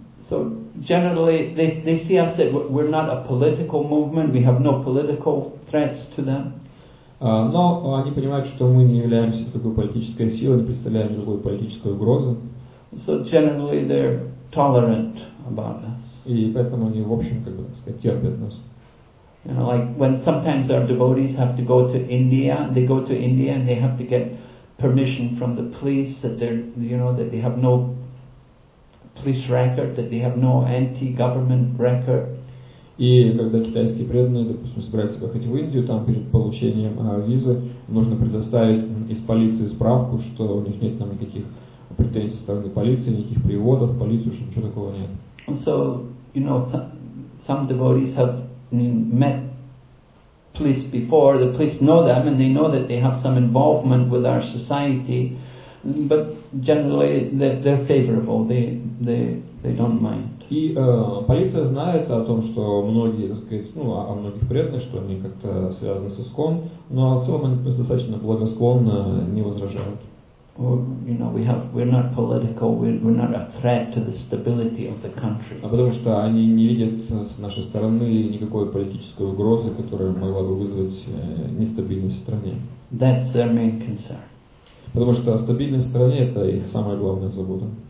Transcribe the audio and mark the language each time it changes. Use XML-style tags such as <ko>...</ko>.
<en>So generally, they see us that we're not a political movement. We have no political threats to them.</en> <ru>Но они понимают, что мы не являемся такой политической силой, не представляем никакой политической угрозы.</ru> <en>So generally they're tolerant about us.</en> <ru>И поэтому они, в общем, как бы, так сказать, терпят нас.</ru> <en>You know, like when sometimes our devotees have to go to India, they go to India and they have to get permission from the police that they're, you know, that they have no police record, that they have no anti-government record.</en> <ru>И когда китайские преданные, допустим, собираются поехать в Индию, там перед получением визы нужно предоставить из полиции справку, что у них нет там никаких претензий со стороны полиции, никаких приводов в полицию, что ничего такого нет.</ru> <en>So, you know, some devotees have met police before, the police know them, and they know that they have some involvement with our society, but generally they're favorable, they don't mind.</en> <ru>И полиция знает о том, что многие, так сказать, ну, о многих преданных, что они как-то связаны с ИСКОН, но в целом они достаточно благосклонно не возражают.</ru> <en>You know, we're not political, we're not a threat to the stability of the country.</en> <ru>А потому что они не видят с нашей стороны никакой политической угрозы, которая могла бы вызвать нестабильность в стране.</ru> <en>That's their main concern.</en> <ru>Потому что стабильность в стране – это их самая главная забота.</ru>